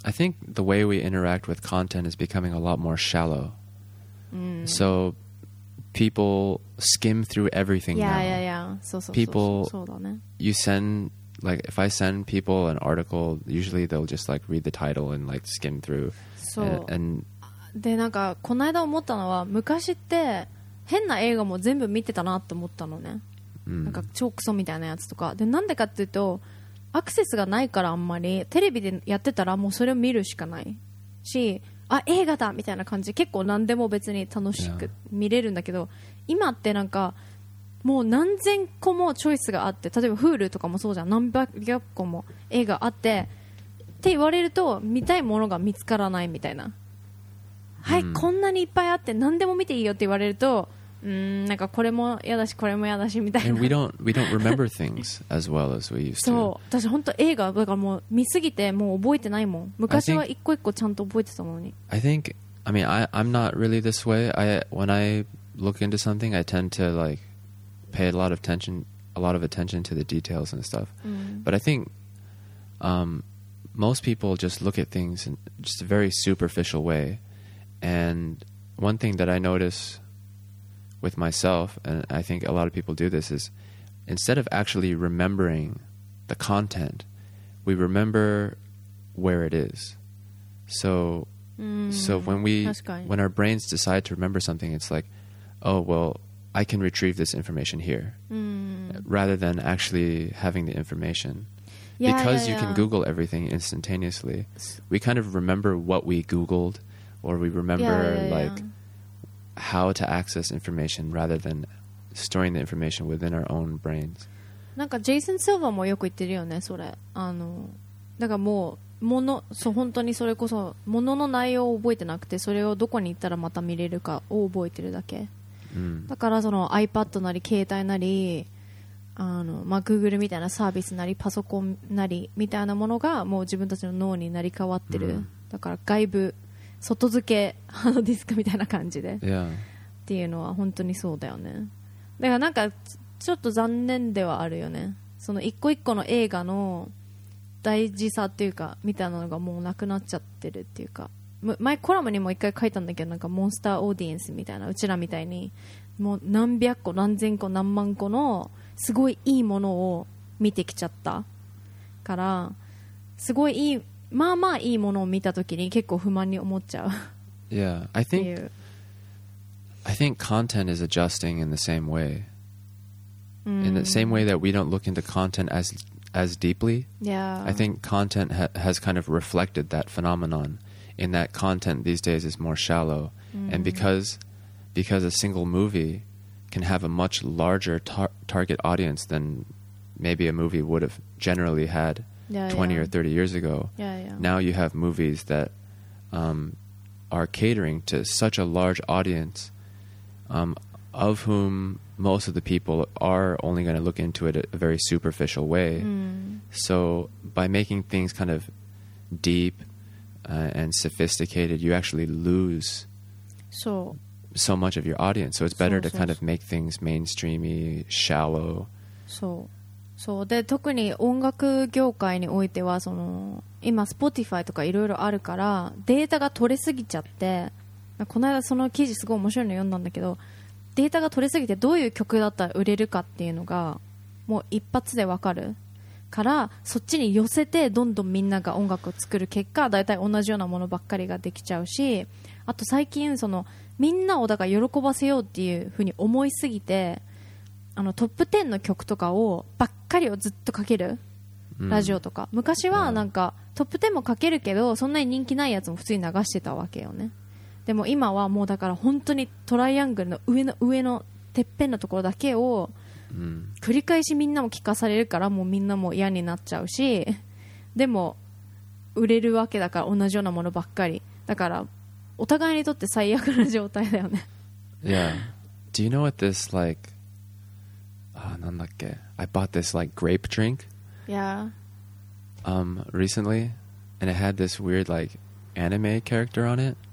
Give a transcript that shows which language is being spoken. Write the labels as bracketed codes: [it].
[en] I think the way we interact with content is becoming a lot more shallow、So people skim through everything now. [ja] そうだね。 [en] You sendLike, if I send people an article, usually they'll just like read the title and like skim through. [ja] そう。で、なんかこの間思ったのは、昔って変な映画も全部見てたなって思ったのね。なんか超クソみたいなやつとか。でなんでかっていうとアクセスがないから、あんまりテレビでやってたらもうそれを見るしかないし、あ映画だみたいな感じ、結構何でも別に楽しく見れるんだけど、今ってなんかもう何千個もチョイスがあって、例えば Hulu とかもそうじゃん、何百個も映画あってって言われると見たいものが見つからないみたいな、はい、うん、こんなにいっぱいあって何でも見ていいよって言われると、なんかこれも嫌だしこれも嫌だしみたいな。 [en] And we don't remember things as well as we used to. [ja] そう、私本当映画だからもう見すぎてもう覚えてないもん、昔は一個一個ちゃんと覚えてたのに。 [en] I'm not really this way. When I look into something I tend to like pay a lot of attention to the details and stuff. But I think most people just look at things in just a very superficial way. And one thing that I notice with myself, and I think a lot of people do this, is instead of actually remembering the content, we remember where it is. So when our brains decide to remember something, it's like, oh, well, I can retrieve this information here, rather than actually having the information. Because you can Google everything instantaneously, we kind of remember what we Googled, or we remember how to access information rather than storing the information within our own brains. [ja] なんかジェイソン・シルバーもよく言ってるよね、それ。あの、だからもう、もの、そう、本当にそれこそ、ものの内容を覚えてなくて、それをどこに行ったらまた見れるかを覚えてるだけ。だからその iPad なり携帯なり、あの、まあ、Google みたいなサービスなりパソコンなりみたいなものがもう自分たちの脳になり変わってる、だから外部外付けハードディスクみたいな感じで、 [en] yeah. [ja] っていうのは本当にそうだよね。だからなんかちょっと残念ではあるよね、その一個一個の映画の大事さっていうかみたいなのがもうなくなっちゃってるっていうか、前コラムにも一回書いたんだけど、なんかモンスターオーディエンスみたいな、うちらみたいにもう何百個何千個何万個のすごいいいものを見てきちゃったから、すごいいい、まあまあいいものを見たときに結構不満に思っちゃう。 [en] Yeah, I think content is adjusting in the same way、in the same way that we don't look into content as deeply. Yeah, I think content has kind of reflected that phenomenon, in that content these days is more shallow、and because a single movie can have a much larger target audience than maybe a movie would have generally had 20 or 30 years ago. Yeah, yeah. Now you have movies that are catering to such a large audience, of whom most of the people are only going to look into it a very superficial way. So by making things kind of deep and sophisticated, you actually lose so much of your audience. So it's better to kind of make things mainstreamy, shallow. [ja] そう。で、特に音楽業界においてはその今 Spotify とかいろいろあるからデータが取れすぎちゃって、この間その記事すごい面白いの読んだんだけど、データが取れすぎてどういう曲だったら売れるかっていうのがもう一発でわかるから、そっちに寄せてどんどんみんなが音楽を作る結果、だいたい同じようなものばっかりができちゃうし、あと最近そのみんなをだから喜ばせようっていう風に思いすぎて、あのトップ10の曲とかをばっかりをずっとかける、ラジオとか、昔はなんかトップ10もかけるけどそんなに人気ないやつも普通に流してたわけよね。でも今はもうだから本当にトライアングルの上のてっぺんのところだけを繰り返しみんなも聞かされるから、もうみんなも嫌になっちゃうし、でも売れるわけだから同じようなものばっかり、だからお互いにとって最悪な状態だよね。 [en] Yeah. Do you know what this like、 [ja] なんだっけ、 [en] I bought this like grape drink Yeah. Recently, and it had this weird like anime character on it、